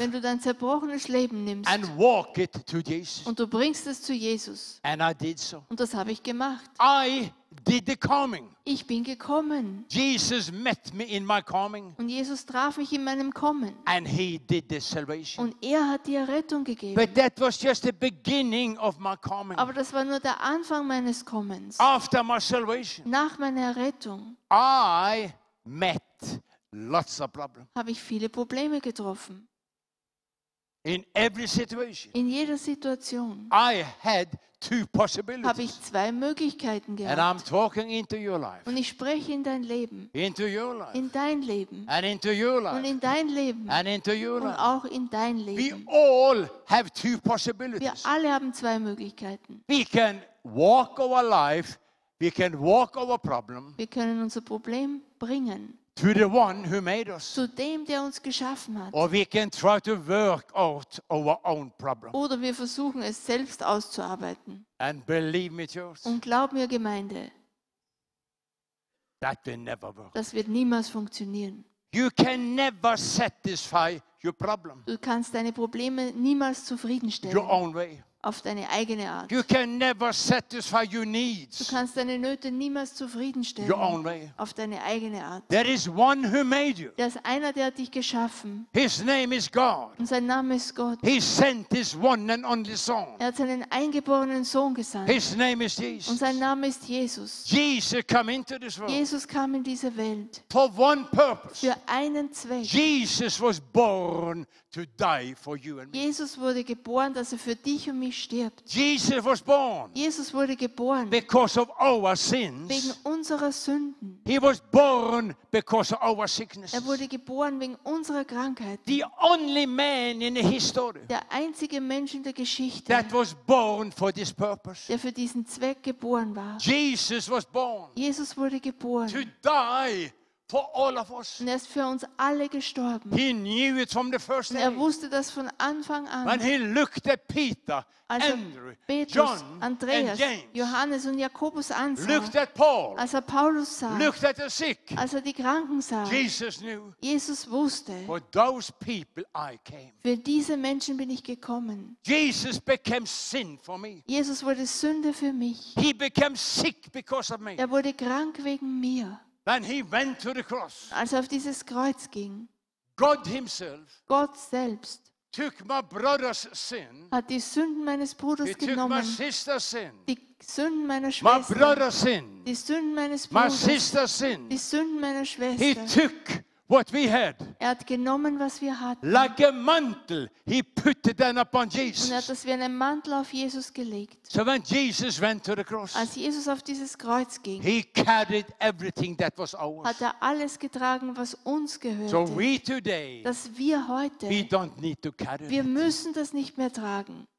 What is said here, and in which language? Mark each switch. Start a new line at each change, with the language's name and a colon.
German: wenn du dein zerbrochenes Leben nimmst,
English: and walk it to Jesus.
German: Und du bringst es zu Jesus.
English: And I did so.
German: Und das habe ich gemacht.
English: I did the coming.
German: Ich bin gekommen.
English: Jesus met me in my coming.
German: Und Jesus traf mich in meinem Kommen.
English: And he did the salvation.
German: Und er hat die Errettung gegeben.
English: But that was just the beginning of my coming.
German: Aber das war nur der Anfang meines Kommens.
English: After my salvation.
German: Nach meiner Errettung.
English: I met lots of problems.
German: Habe ich viele Probleme getroffen.
English: In every situation.
German: In jeder Situation.
English: I had two possibilities.
German: Habe ich zwei Möglichkeiten gehabt.
English: And I'm talking into your life.
German: Und ich spreche in dein Leben.
English: Into your life.
German: In dein Leben.
English: And into your life.
German: Und in dein Leben.
English: And into your life.
German: Und auch in dein Leben.
English: We all have two possibilities.
German: Wir alle haben zwei Möglichkeiten.
English: We can walk our life. We can walk our problem.
German: Wir können unser Problem bringen.
English: To the one who made us.
German: Zu dem, der uns geschaffen hat.
English: Or we can try to work out our own problem.
German: Oder wir versuchen es selbst auszuarbeiten.
English: And believe me, church.
German: Und glaub mir, Gemeinde.
English: That will never work.
German: Das wird niemals funktionieren.
English: You can never satisfy your problem.
German: Du kannst deine Probleme niemals zufriedenstellen.
English: Your own way.
German: Auf deine eigene Art.
English: You can never satisfy your needs.
German: Du kannst deine Nöte niemals zufriedenstellen.
English: Your own way.
German: Auf deine eigene Art.
English: There is one who made you.
German: Das ist einer, der hat dich geschaffen.
English: His name is God.
German: Und sein Name ist Gott.
English: He sent his one and only son.
German: Er hat seinen eingeborenen Sohn gesandt.
English: His name is Jesus.
German: Und sein Name ist Jesus.
English: Jesus came into this world.
German: Jesus kam in diese Welt.
English: For one purpose.
German: Für einen Zweck.
English: Jesus was born to die for you and me.
German: Jesus wurde geboren, dass er für dich und mich stirbt.
English: Jesus was born.
German: Jesus wurde geboren.
English: Because of our sins.
German: Wegen unserer Sünden.
English: He was born because of our sickness.
German: Er wurde geboren wegen unserer Krankheit.
English: The only man in the history.
German: Der einzige Mensch in der Geschichte.
English: That was born for this purpose.
German: Der für diesen Zweck geboren war.
English: Jesus was born.
German: Jesus wurde geboren.
English: To die for all of us.
German: Und er ist für uns alle gestorben.
English: He knew it from the first day.
German: Er wusste das von Anfang an.
English: When he looked at Peter,
German: also
English: Andrew,
German: Petrus,
English: John,
German: Andreas,
English: and James,
German: Johannes und Jakobus ansah,
English: looked at Paul,
German: als er Paulus sah,
English: looked at the sick,
German: als er die Kranken sah,
English: Jesus knew.
German: Jesus wusste.
English: For those people I came.
German: Für diese Menschen bin ich gekommen.
English: Jesus became sin for me.
German: Jesus wurde Sünde für mich.
English: He became sick because of me.
German: Er wurde krank wegen mir.
English: When he went to the cross,
German: als er auf dieses Kreuz ging,
English: God himself,
German: Gott selbst,
English: took my brother's sin,
German: hat die Sünden meines Bruders
English: he
German: genommen,
English: took my sister's sin,
German: die Sünden meiner Schwester,
English: my brother's sin,
German: die Sünden meines Bruders,
English: my sister's sin,
German: die Sünden meiner Schwester,
English: he took what we had,
German: er hat genommen, was wir hatten,
English: like a mantle, he put it down upon Jesus,
German: und er hat das wie einen Mantel auf Jesus gelegt.
English: So when Jesus went to the cross,
German: als Jesus auf dieses Kreuz ging,
English: he carried everything that was ours,
German: hat er alles getragen, was uns gehörte.
English: So we today,
German: dass wir heute,
English: we don't need to carry
German: wir müssen das nicht mehr tragen.